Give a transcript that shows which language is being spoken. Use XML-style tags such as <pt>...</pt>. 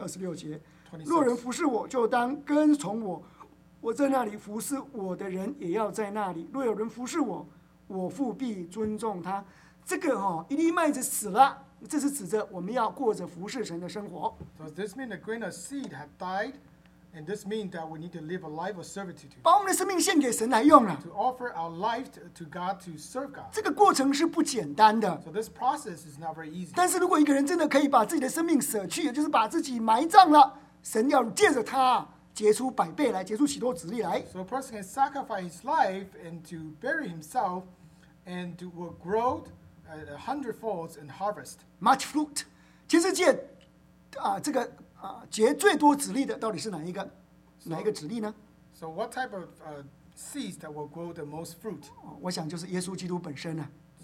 <zh>二十六节，若人服侍我，就当跟从我。我在那里服侍我的人，也要在那里。若有人服侍我，我父必尊重他。这个哦，一粒麦子死了，这是指着我们要过着服侍神的生活。</zh> <en>So this means a grain of seed have died, and this means that we need to live a life of servitude.</en> <zh>把我们的生命献给神来用了。</zh> <en>To offer our life to God to serve God.</en> <zh>这个过程是不简单的。</zh> <en>So this process is not very easy.</en> <zh>但是如果一个人真的可以把自己的生命舍去，就是把自己埋葬了，神要借着他结出百倍来，结出许多子粒来。</zh> <en>So a person can sacrifice his life and to bury himself, and to will grow. A hundredfold and harvest much fruit.</en> <zh>全世界，这个结最多籽粒的到底是哪一个籽粒呢</zh> <en>？So what type of seeds that will grow the most fruit?</en> <zh>我想就是耶稣基督本身呢、啊。</zh>